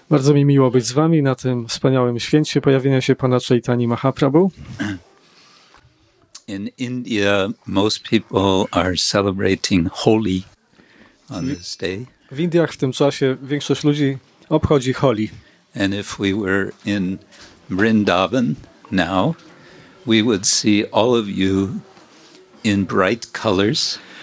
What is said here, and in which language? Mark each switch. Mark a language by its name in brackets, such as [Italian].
[Polish] Bardzo mi miło być z wami na tym wspaniałym święcie pojawienia się Pana Chaitanya Mahaprabhu. [English] In India most people are celebrating Holi on this day. [Polish] W Indiach w tym czasie większość ludzi obchodzi Holi. [English] And if we were in Vrindavan now, we would see all of you in bright colors.